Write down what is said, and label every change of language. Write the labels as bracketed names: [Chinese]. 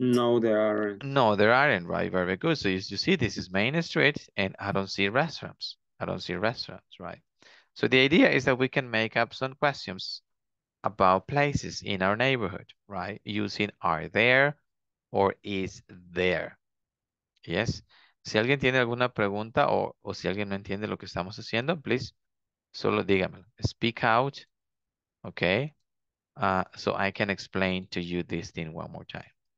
[English] No, there aren't. No, there aren't, right? Very good. So you see, this is Main Street, and I don't see restaurants. I don't see restaurants, right? So the idea is that we can make up some questions about places in our neighborhood, right? Using are there or is there. Yes? [Spanish] Si alguien tiene alguna pregunta o si alguien no entiende lo que estamos haciendo, please, solo dígamelo. [English] Speak out, okay? So I can explain to you this thing one more time.